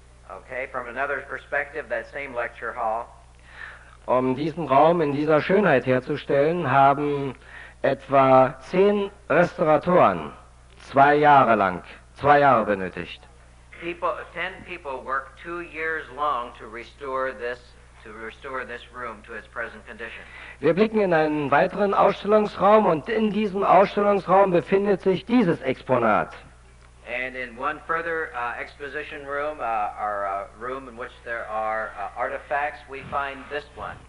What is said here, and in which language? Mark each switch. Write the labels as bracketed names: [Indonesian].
[English] Okay, from another perspective, that same lecture hall. [German] Um diesen Raum in dieser Schönheit herzustellen, haben etwa 10 Restauratoren 2 Jahre benötigt. [English] 10 people work 2 years long to restore this room to its present condition. [German] Wir blicken in einen weiteren Ausstellungsraum und in diesem Ausstellungsraum befindet sich dieses Exponat. [English] And in one further exposition room, or a room in which there are artifacts, we find this one.